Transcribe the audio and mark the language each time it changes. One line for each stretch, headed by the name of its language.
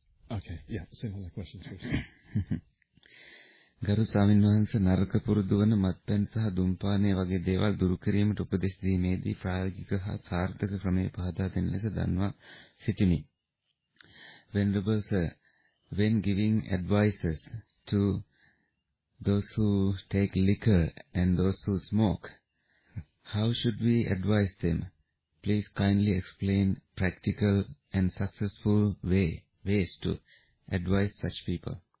English: Okay, yeah, similar questions first.
Sinhala: ගරු ස්වාමීන් වහන්ස නරක පුරුදු වන මත්පැන් සහ දුම්පානය වගේ දේවල් දුරු කිරීමට උපදෙස් දීමේදී ප්‍රායෝගික හා සාර්ථක ක්‍රමයේ පහදා දෙන ලෙස දන්වා සිටිනි.
English: Venerable sir, when giving advices to those who take liquor and those who smoke, how should we advise them? Please kindly explain practical and successful ways to advise such people.